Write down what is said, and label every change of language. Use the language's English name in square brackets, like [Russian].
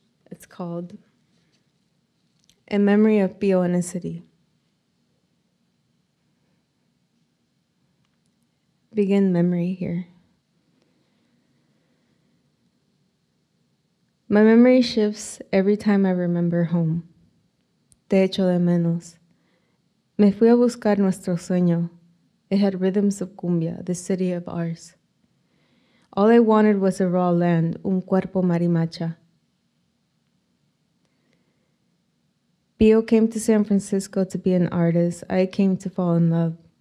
[English] It's called In Memory of Pio in a City. Begin memory here. My memory shifts every time I remember home. [Spanish] Te echo de menos. Me fui a buscar nuestro sueño. [English] It had rhythms of cumbia, the city of ours. All I wanted was a raw land, [Spanish] un cuerpo marimacha. [English] Pio came to San Francisco to be an artist. I came to fall in love.